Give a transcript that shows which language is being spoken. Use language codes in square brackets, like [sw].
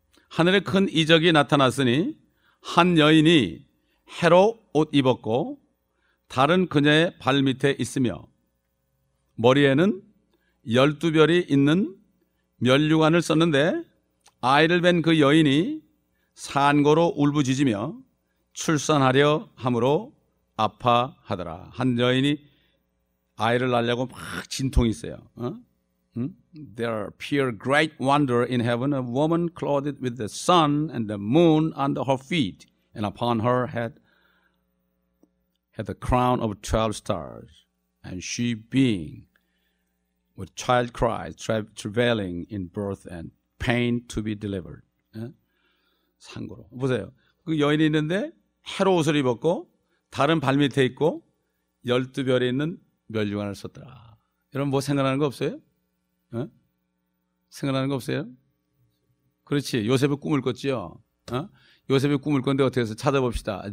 [ko] 하늘에 큰 이적이 나타났으니 한 여인이 해로 옷 입었고 다른 그녀의 발 밑에 있으며 머리에는 열두 별이 있는 면류관을 썼는데 아이를 뵌 그 여인이 산고로 울부짖으며 출산하려 함으로 아파하더라. 한 여인이 아이를 낳으려고 막 진통이 있어요. 응? [en] There appear great wonder in heaven, a woman clothed with the sun and the moon under her feet, and upon her head had the crown of 12 stars, and she being with child cries, travailing in birth and pain to be delivered. [ko] 상고로. 보세요. 그 여인이 있는데 해로 옷을 입었고 다른 발 밑에 있고 열두 별이 있는 면류관을 썼더라. 여러분 뭐 생각나는 거 없어요? 생각나는 거 없어요? 그렇지. 요셉의 꿈을 꿨지요. 요셉의 꿈을 꿨는데 어떻게 해서 찾아봅시다.